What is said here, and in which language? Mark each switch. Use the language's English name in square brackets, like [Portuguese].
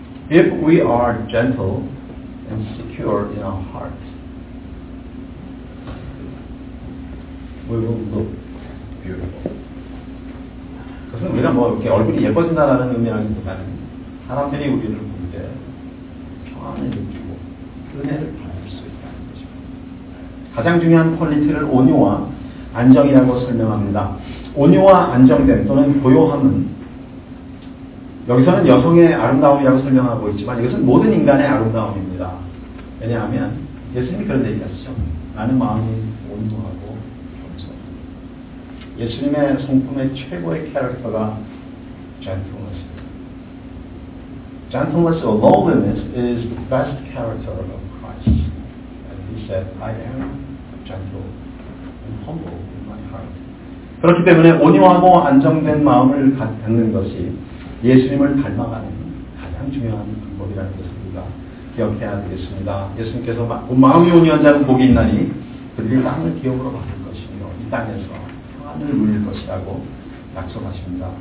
[English] If we are gentle and secure in our heart, we will look beautiful. [Korean] 그것은 우리가 뭐 이렇게 얼굴이 예뻐진다라는 의미라기보다는 사람들이 우리를 볼 때 평안을 느끼고 은혜를 받을 수 있다는 거죠. 가장 중요한 퀄리티를 온유와 안정이라고 설명합니다. 온유와 안정됨 또는 고요함은 여기서는 여성의 아름다움이라고 설명하고 있지만 이것은 모든 인간의 아름다움입니다. 왜냐하면 예수님이 그런 얘기 하시죠. 나는 마음이 온유하고 겸손합니다. 예수님의 성품의 최고의 캐릭터가 gentleness입니다. [English] Gentleness or lowliness is the best character of Christ. And he said, I am gentle and humble in my heart. [Korean] 그렇기 때문에 온유하고 안정된 마음을 갖는 것이 예수님을 닮아가는 가장 중요한 방법이라는 것을 우리가 기억해야 되겠습니다. 예수님께서 마음이 온유한 자는 복이 있나니 그들이 땅을 기업으로 받을 것이며 이 땅에서 평안을 누릴 것이라고 약속하십니다.